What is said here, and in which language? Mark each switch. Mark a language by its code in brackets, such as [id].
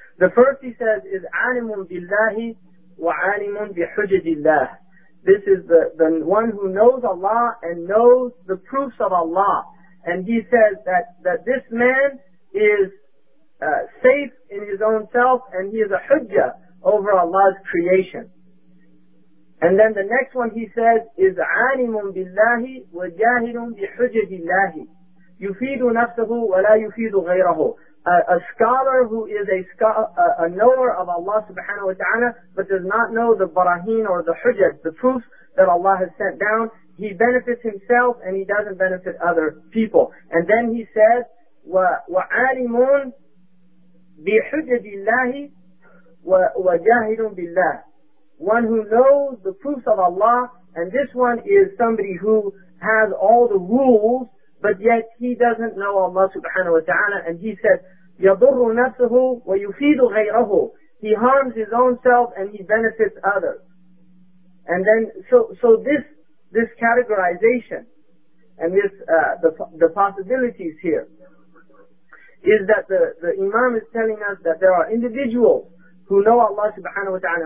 [en] The first, he says, is عَالِمٌ بِاللَّهِ وَعَالِمٌ بِحُجَّةِ اللَّهِ. This is the one who knows Allah and knows the proofs of Allah. And he says that this man is safe in his own self, and he is a hujjah over Allah's creation. [ar] And then the next one, he says, is عَالِمٌ بِاللَّهِ وَجَاهِدٌ بِحُجَّةِ اللَّهِ يُفِيدُ نَفْسَهُ وَلَا يُفِيدُ غَيْرَهُ. [en] a scholar who is a knower of Allah subhanahu wa ta'ala, but does not know the barahin or the hujjah, the proofs that Allah has sent down, he benefits himself and he doesn't benefit other people. [ar] And then he says, وَعَالِمٌ بِحُجَّةِ اللَّهِ وَجَاهِدٌ بِاللَّهِ. [en] One who knows the proofs of Allah, and this one is somebody who has all the rules, but yet he doesn't know Allah subhanahu wa ta'ala, and he said, يَضُرُّ نَفْسَهُ وَيُفِيدُ غَيْرَهُ. He harms his own self and he benefits others. And then, so this categorization, and this, the possibilities here, is that the Imam is telling us that there are individuals who know Allah subhanahu wa ta'ala.